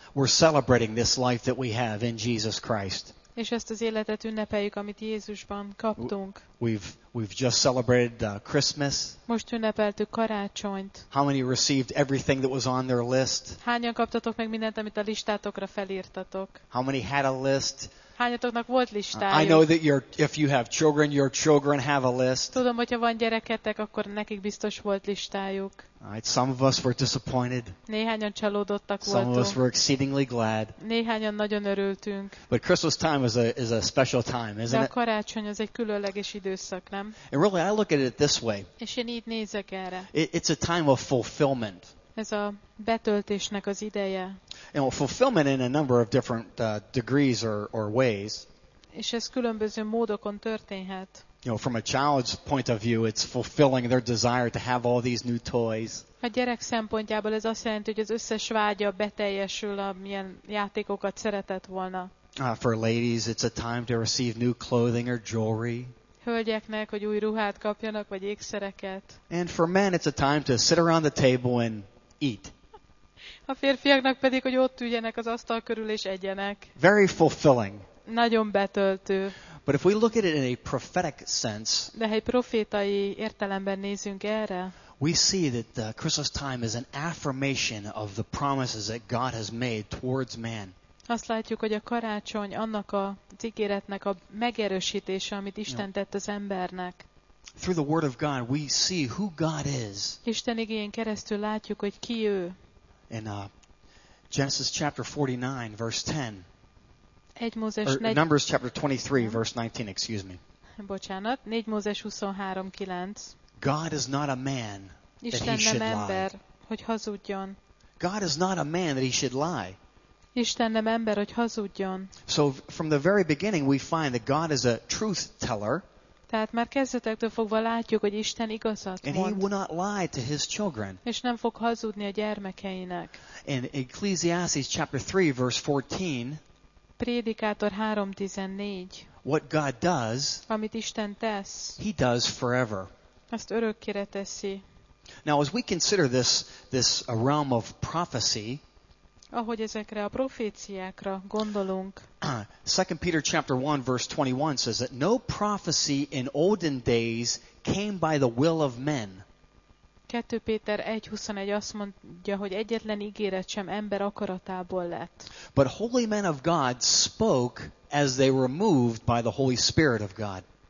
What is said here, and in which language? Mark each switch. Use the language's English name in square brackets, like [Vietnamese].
[English] We're celebrating this life that we have in Jesus Christ. [Hungarian] És ezt az életet ünnepeljük, amit Jézusban kaptunk. [English] We've just celebrated Christmas. [Hungarian] Most ünnepeltük karácsonyt. [English] How many received everything that was on their list? [Hungarian] Hányan kaptatok meg mindent, amit a listátokra felírtatok? [English] How many had a list? [Hungarian] Hányatoknak volt listájuk? [English] I know that if you have children, your children have a list. [Hungarian] Tudom, hogyha van gyereketek, akkor nekik biztos volt listájuk. [English] Some of us were disappointed. [Hungarian] Néhányan csalódottak voltunk. [English] Some of us were exceedingly glad. [Hungarian] Néhányan nagyon örültünk. [English] But Christmas time is a special time, isn't it? [Hungarian] De a karácsony az egy különleges időszak, nem? [English] And really, I look at it this way. [Hungarian] És én így nézek erre. [English] It's a time of fulfillment. [Hungarian] Ez a betöltésnek az ideje. [English] And fulfillment in a number of different degrees or ways. [Hungarian] És ez különböző módokon történhet. [English] From a child's point of view, it's fulfilling their desire to have all these new toys. [Hungarian] A gyerek szempontjából ez azt jelenti, hogy az összes vágya beteljesül, amilyen játékokat szeretett volna. [English] For ladies, it's a time to receive new clothing or jewelry. [Hungarian] Hölgyeknek, hogy új ruhát kapjanak, vagy ékszereket. [English] And for men, it's a time to sit around the table and eat. [Hungarian] A férfiaknak pedig, hogy ott üljenek az asztal körül és egyenek. [English] Very fulfilling. [Hungarian] Nagyon betöltő. [English] But if we look at it in a prophetic sense, [Hungarian] de ha egy profétai értelemben nézünk erre, [English] we see that the Christmas time is an affirmation of the promises that God has made towards man. [Hungarian] Azt látjuk, hogy a karácsony annak a ígéretnek a megerősítése, amit Isten tett az embernek. [English] Through the Word of God, we see who God is. [Hungarian] Isten igéjén keresztül látjuk, hogy ki ő. [English] In Genesis chapter 49, verse 10. Numbers chapter 23, verse 19, excuse me. [Hungarian] Bocsánat, 4 Mózes 23:9. [English] God is not a man [Hungarian] Isten [English] that he [Hungarian] nem [English] should [Hungarian] ember, [English] lie. [Hungarian] Hogy hazudjon. [English] God is not a man that he should lie. [Hungarian] Isten nem ember, hogy hazudjon. [English] So from the very beginning we find that God is a truth teller. [Hungarian] Tehát már kezdetektől fogva látjuk, hogy Isten igazat mond. [English] He will not lie to his children. [Hungarian] És nem fog hazudni a gyermekeinek. [English] In Ecclesiastes chapter 3, verse 14. [Hungarian] Prédikátor 3:14. [English] What God does, [Hungarian] amit Isten tesz, [English] he does forever. [Hungarian] Azt örökkére teszi. [English] Now as we consider this a realm of prophecy, [Hungarian] ahogy ezekre a proféciákra gondolunk. [English] 2 Peter chapter 1 verse 21 says that no prophecy in olden days came by the will of men. [Hungarian] 2 Péter 1:21 azt mondja, hogy egyetlen ígéret sem ember akaratából lett. [English] But holy men of God spoke as they were moved by the Holy Spirit of God.